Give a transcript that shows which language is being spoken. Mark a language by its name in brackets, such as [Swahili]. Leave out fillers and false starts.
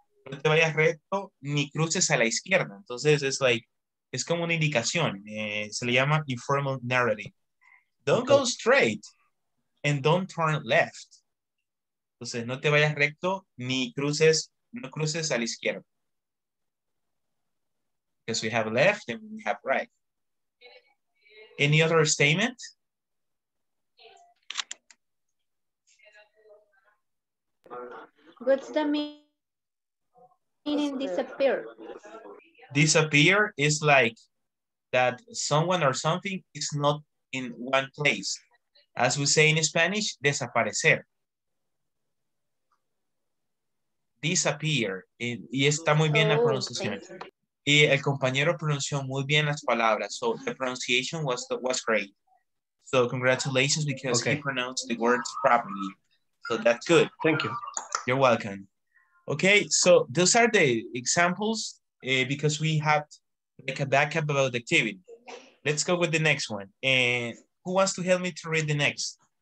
[Spanish] No te vayas recto ni cruces a la izquierda. Entonces, es like, es como una indicación. Se le llama [English] informal narrative. Don't go straight and don't turn left. [Spanish] Entonces, no te vayas recto ni cruces, no cruces a la izquierda. [English] Because we have left and we have right. Any other statement? What's the meaning disappear? Disappear is like that someone or something is not in one place. As we say in Spanish, desaparecer. [Spanish] Disappear. Y está muy bien la pronunciación. Y el compañero pronunció muy bien las palabras. [English] So the pronunciation was great. So congratulations because he pronounced the words properly. So that's good. Thank you. You're welcome. Okay, so those are the examples because we have to make a backup about the activity. Let's go with the next one. And who wants to help me to read the next?